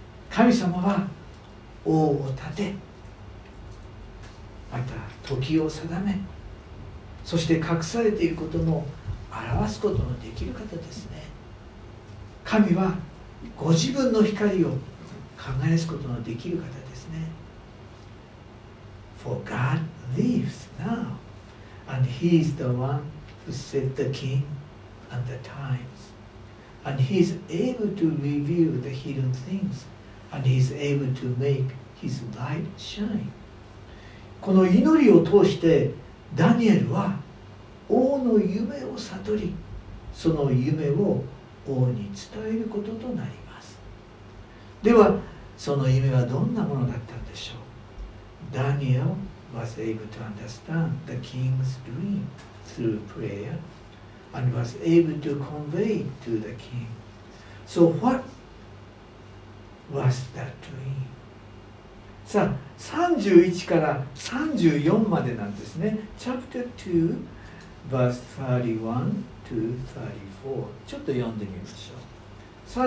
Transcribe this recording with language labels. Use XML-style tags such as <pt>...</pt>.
<ja>神様は王を立て、また時を定め、そして隠されていることも表すことのできる方ですね。神はご自分の光を輝かすことのできる方ですね。</ja> <en>For God lives now, and He is the one who set the king and the times, and He is able to reveal the hidden things, and He is able to make His light shine.</en> <ja>この祈りを通してダニエルは王の夢を悟り、その夢を王に伝えることとなります。では、その夢はどんなものだったんでしょう。</ja> <en>Daniel was able to understand the king's dream through prayer and was able to convey to the king. So what was that dream?</en> <ja>さあ、31から34までなんですね。</ja> <en>Chapter 2, verse 31 to 34.</en> <ja>ちょっと読んでみましょう。</ja>